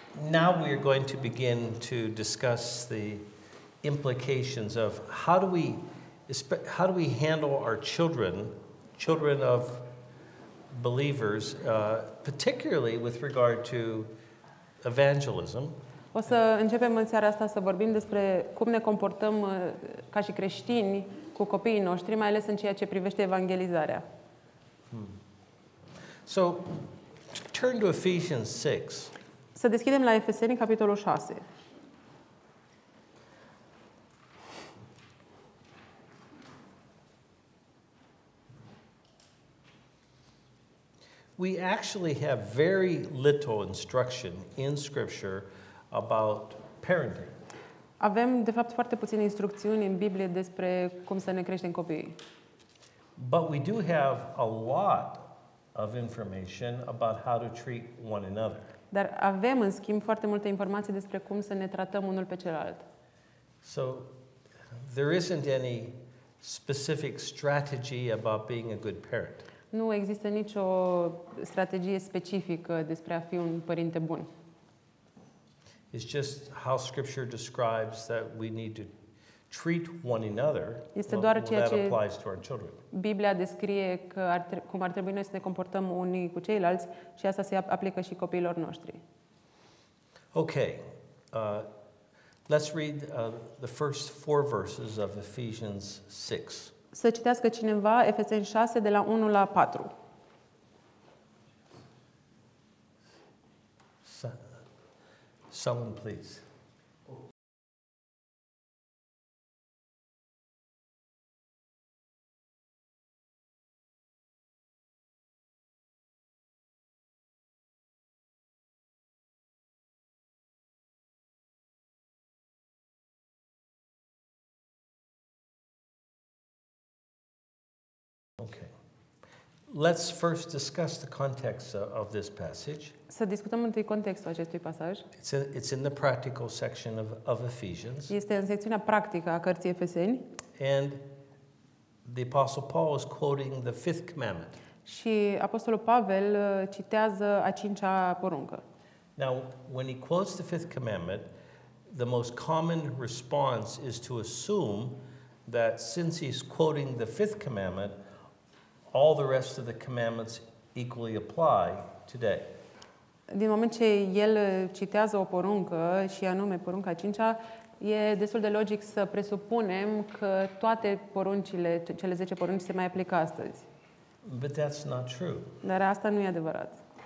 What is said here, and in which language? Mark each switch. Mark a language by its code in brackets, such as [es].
[en] Now we are going to begin to discuss the implications of how do we handle our children of believers, particularly with regard to evangelism. [ro] O să începem în seara asta să vorbim despre cum ne comportăm ca și creștini cu copiii noștri, mai ales în ceea ce privește evangelizarea. [en] So turn to Ephesians 6. [ro] Să deschidem la Efeseni, capitolul 6. [en] We actually have very little instruction in Scripture about parenting. [ro] Avem, de fapt, foarte puține instrucțiuni în Biblie despre cum să ne creștem copiii. [en] But we do have a lot of information about how to treat one another. [ro] Dar avem, în schimb, foarte multe informații despre cum să ne tratăm unul pe celălalt. [en] So, there isn't any specific strategy about being a good parent. [ro] Nu există nicio strategie specifică despre a fi un părinte bun. [en] It's just how Scripture describes that we need to treat one another. [ro] Este doar ceea ce [en] applies to our children. [ro] Biblia descrie că cum ar trebui noi să ne comportăm unii cu ceilalți și asta se aplică și copiilor noștri. [en] Okay. Let's read the first four verses of Ephesians 6. [ro] Să citească cineva Efeseni 6 de la 1 la 4. [en] Someone please. Let's first discuss the context of this passage. [ro] Să discutăm întâi contextul acestui pasaj. [en] It's in the practical section of Ephesians. [ro] Este în secțiunea practică a cărții Efeseni. [en] And the Apostle Paul is quoting the fifth commandment. [ro] Și apostolul Pavel citează a cincea poruncă. [en] Now, when he quotes the fifth commandment, the most common response is to assume that since he's quoting the fifth commandment, all the rest of the commandments equally apply today. [ro] Din moment ce el citează o poruncă, și anume porunca a cincea, e destul de logic să presupunem că toate poruncile, cele 10 porunci, se mai aplică astăzi. [en] But that's not true. [ro] Dar asta nu e adevărat.